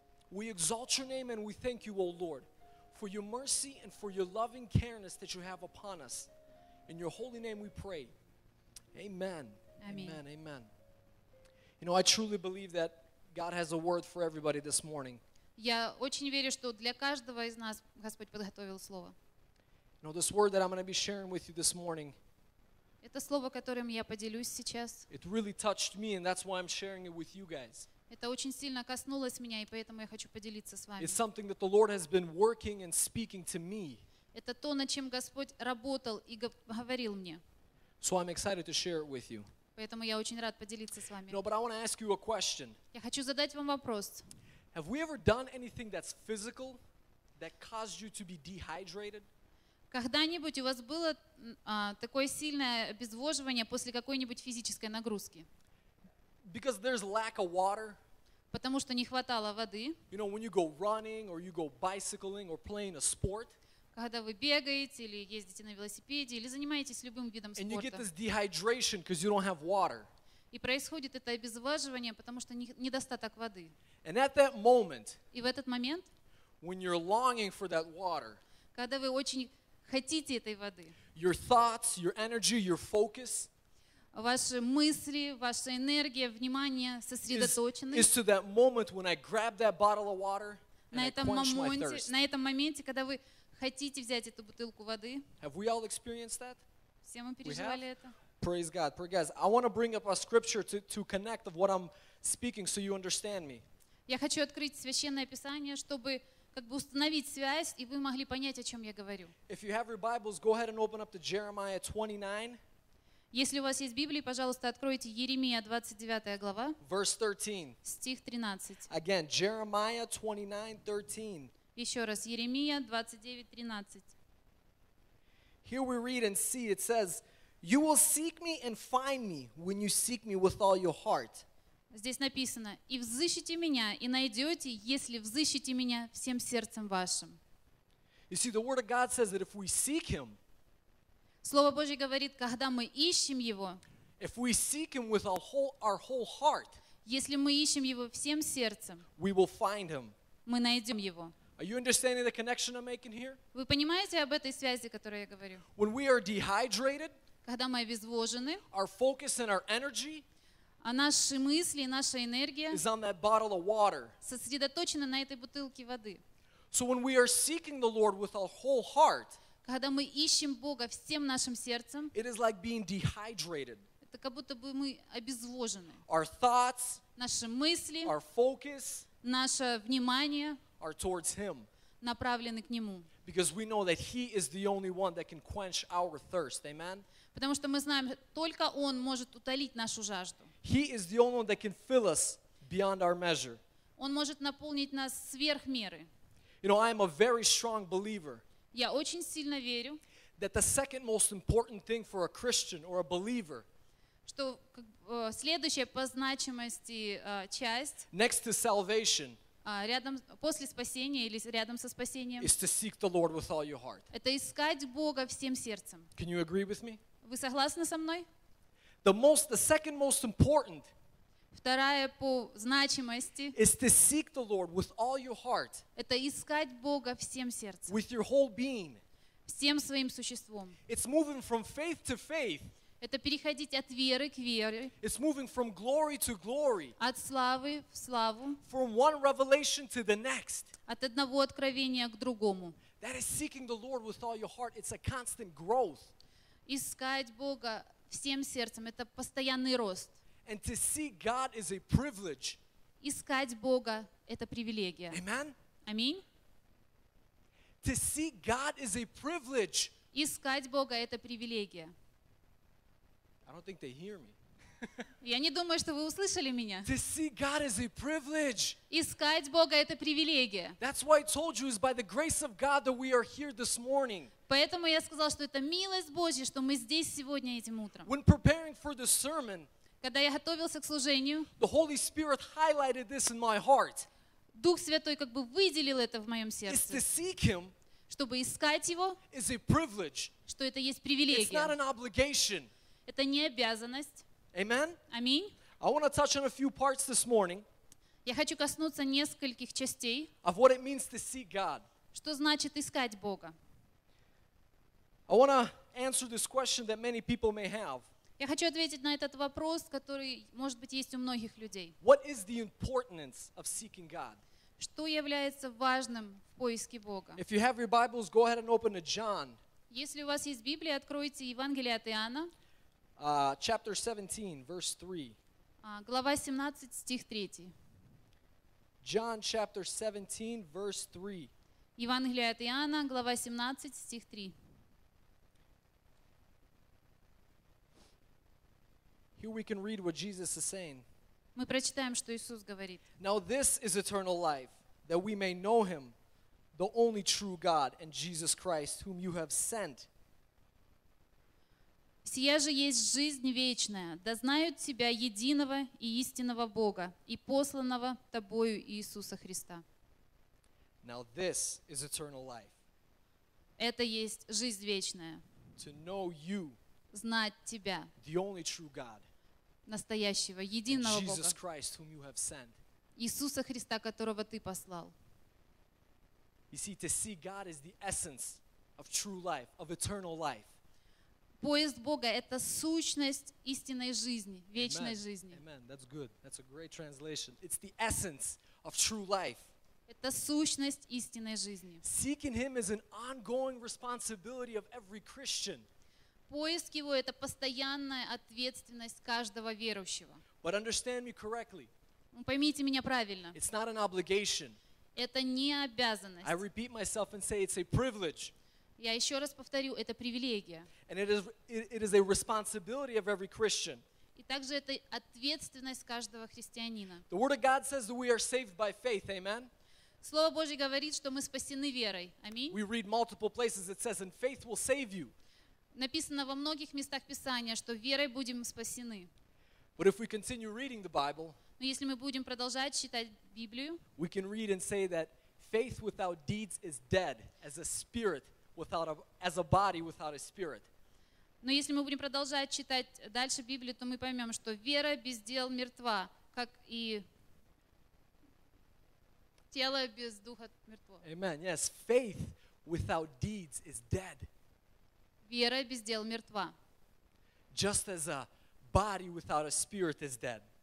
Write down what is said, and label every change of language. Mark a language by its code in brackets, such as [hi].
[en] We exalt your name and we thank you, O Lord, for your mercy and for your loving careness that you have upon us. In your holy name we pray. Amen. Amen. Amen. Amen. You know, I truly believe that God has a word for everybody this morning. [ru] Я очень верю, что для каждого из нас Господь подготовил слово. [en] You know, this word that I'm going to be sharing with you this morning, [ru] это слово, которым я поделюсь сейчас, [en] it really touched me, and that's why I'm sharing it with you guys. [ru] Это очень сильно коснулось меня, и поэтому я хочу поделиться с вами. [en] It's something that the Lord has been working and speaking to me. [ru] Это то, над чем Господь работал и говорил мне. [en] So I'm excited to share it with you. [ru] Поэтому я очень рад поделиться с вами. [en] No, but I want to ask you a question. [ru] Я хочу задать вам вопрос. [en] Have we ever done anything that's physical that caused you to be dehydrated? [ru] Когда-нибудь у вас было такое сильное обезвоживание после какой-нибудь физической нагрузки? [en] Because there's lack of water. [ru] Потому что не хватало воды. [en] You know, when you go running or you go bicycling or playing a sport. [ru] Когда вы бегаете или ездите на велосипеде или занимаетесь любым видом спорта. [en] And you get this dehydration because you don't have water. [ru] И происходит это обезвоживание, потому что недостаток воды. [en] And at that moment. [ru] И в этот момент. [en] When you're longing for that water. [ru] Когда вы очень хотите этой воды. [en] Your thoughts, your energy, your focus. [ru] Ваши мысли, ваша энергия, внимание сосредоточены. [en] Is to that moment when I grab that bottle of water and I quench my thirst. [ru] На этом моменте, когда вы хотите взять эту бутылку воды. [en] Have we all experienced that? [ru] Все мы переживали это. [en] Praise God. Praise God. I want to bring up a scripture to connect of what I'm speaking so you understand me. [ru] Я хочу открыть священное писание, чтобы как бы установить связь, и вы могли понять, о чем я говорю. [en] If you have your Bibles, go ahead and open up to Jeremiah 29. [ru] Если у вас есть Библия, пожалуйста, откройте Еремия 29 глава. [en] Verse 13. [ru] Стих 13. [en] Again, Jeremiah 29:13. [ru] Еще раз, Еремия 29:13. [en] Here we read and see, it says, "You will seek me and find me when you seek me with all your heart." [ru] Здесь написано, и взыщите меня, и найдете, если взыщите меня всем сердцем вашим. [en] You see, the Word of God says that if we seek Him, [ru] Слово Божье говорит, когда мы ищем Его, [en] if we seek Him with our whole heart, [ru] если мы ищем Его всем сердцем, [en] we will find Him. [ru] Мы найдем Его. [en] Are you understanding the connection I'm making here? [ru] Вы понимаете об этой связи, о которой я говорю? [en] When we are dehydrated, [ru] когда мы обезвожены, [en] our focus and our energy, [ru] а наши мысли, наша энергия [en] is on that bottle of water. [ru] Сосредоточена на этой бутылке воды. [en] So when we are seeking the Lord with our whole heart, [ru] когда мы ищем Бога всем нашим сердцем, [en] it is like being dehydrated. [ru] Это как будто бы мы обезвожены. [en] Our thoughts, [ru] наши мысли, [en] our focus, [ru] наше внимание [en] are towards Him. [ru] Направлены к Нему. [en] Because we know that He is the only one that can quench our thirst. Amen? [ru] Потому что мы знаем, только Он может утолить нашу жажду. [en] He is the only one that can fill us beyond our measure. [ru] Он может наполнить нас сверх меры. [en] You know, I am a very strong believer. [ru] Я очень сильно верю. [en] That the second most important thing for a Christian or a believer. [ru] Что следующая по значимости часть. [en] Next to salvation. [ru] Рядом после спасения или рядом со спасением. [en] Is to seek the Lord with all your heart. [ru] Это искать Бога всем сердцем. [en] Can you agree with me? [ru] Вы согласны со мной? [en] The second most important. [ru] Вторая по значимости. [en] Is to seek the Lord with all your heart. [ru] Это искать Бога всем сердцем. [en] With your whole being. [ru] Всем своим существом. [en] It's moving from faith to faith. [ru] Это переходить от веры к вере. [en] It's moving from glory to glory. [ru] От славы в славу. [en] From one revelation to the next. [ru] От одного откровения к другому. [en] That is seeking the Lord with all your heart. It's a constant growth. [ru] Искать Бога всем сердцем — это постоянный рост. [en] And to see God is a privilege. [ru] Искать Бога — это привилегия. [en] Amen. [ru] Аминь. [en] To see God is a privilege. [ru] Искать Бога — это привилегия. [en] I don't think they hear me. [ru] Я не думаю, что вы услышали меня. [en] To see God is a privilege. [ru] Искать Бога — это привилегия. [en] That's why I told you it's by the grace of God that we are here this morning. [ru] Поэтому я сказал, что это милость Божья, что мы здесь сегодня этим утром. [en] When preparing for the sermon, [ru] когда я готовился к служению, [en] the Holy Spirit highlighted this in my heart. [ru] Дух Святой как бы выделил это в моем сердце. [en] It's to seek Him. [ru] Чтобы искать Его. [en] Is a privilege. [ru] Что это есть привилегия. [en] It's not an obligation. [ru] Это не обязанность. [en] Amen. [ru] Аминь. [en] I want to touch on a few parts this morning. [ru] Я хочу коснуться нескольких частей. [en] Of what it means to see God. [ru] Что значит искать Бога? [en] I want to answer this question that many people may have. [ru] Я хочу ответить на этот вопрос, который, может быть, есть у многих людей. [en] What is the importance of seeking God? [ru] Что является важным в поиске Бога? [en] If you have your Bibles, go ahead and open to John. [ru] Если у вас есть Библия, откройте Евангелие от Иоанна. [en] Chapter 17, verse 3. [ru] Глава 17, стих 3. [en] John chapter 17, verse 3. [ru] Евангелие от Иоанна, глава 17, стих 3. [en] Here we can read what Jesus is saying. [ru] Мы прочитаем, что Иисус говорит. [en] Now this is eternal life, that we may know Him, the only true God, and Jesus Christ, whom You have sent. [ru] Сия же есть жизнь вечная, да знают тебя единого и истинного Бога и посланного тобою Иисуса Христа. [en] Now this is eternal life. [ru] Это есть жизнь вечная. [en] To know You. [ru] Знать тебя. [en] The only true God. [ru] Настоящего, единого [en] Jesus [ru] Бога. [en] Christ, whom You have sent. [ru] Иисуса Христа, которого Ты послал. [en] You see, to see God is the essence of true life, of eternal life. [ru] Поиск Бога — это сущность истинной жизни, вечной [en] Amen. [ru] Жизни. [en] Amen. That's good. That's a great translation. It's the essence of true life. [ru] Это сущность истинной жизни. [en] Seeking Him is an ongoing responsibility of every Christian. [ru] Поиск Его — это постоянная ответственность каждого верующего. [en] But understand me correctly. [ru] Поймите меня правильно. [en] It's not an obligation. [ru] Это не обязанность. [en] I repeat myself and say it's a privilege. [ru] Я еще раз повторю, это привилегия. [en] And it is a responsibility of every Christian. [ru] И также это ответственность каждого христианина. [en] The Word of God says that we are saved by faith. Amen. [ru] Слово Божье говорит, что мы спасены верой. Аминь. [en] We read multiple places it says, and faith will save you. [ru] Написано во многих местах Писания, что верой будем спасены. [en] But if we continue reading the Bible, [ru] но если мы будем продолжать читать Библию, [en] we can read and say that faith without deeds is dead, as a spirit without a, as a body without a spirit. [ru] Но если мы будем продолжать читать дальше Библию, то мы поймем, что вера без дел мертва, как и тело без духа мертво. [en] Amen. Yes, faith without deeds is dead. [ru] Вера без дел мертва. [en] Just as a body without a spirit is dead.